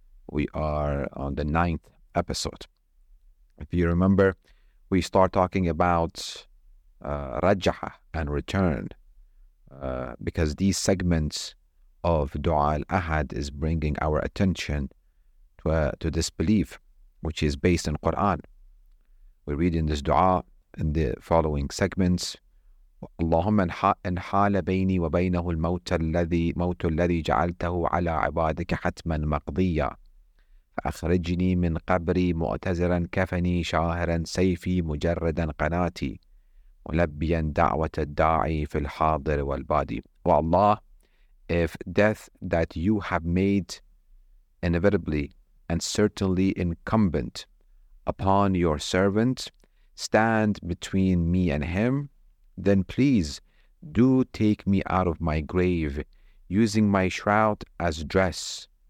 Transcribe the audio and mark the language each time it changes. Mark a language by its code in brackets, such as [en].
[en] We are on the 9th episode. If you remember, we start talking about rajaha and return, because these segments of Dua Al-Ahad is bringing our attention to this belief, which is based in Quran. We read in this dua in the following segments. [ar] اللهم ان حال بيني وبينه الموت الذي موت الذي جعلته على عبادك حتما مقضيا فاخرجني من قبري معتذرا كفني شاهرا سيفي مجردا قناتي ملبيا دعوه الداعي في الحاضر والبادي. [en] O Allah, if death that you have made inevitably and certainly incumbent upon your servant stand between me and him, then please do take me out of my grave, using my shroud as dress,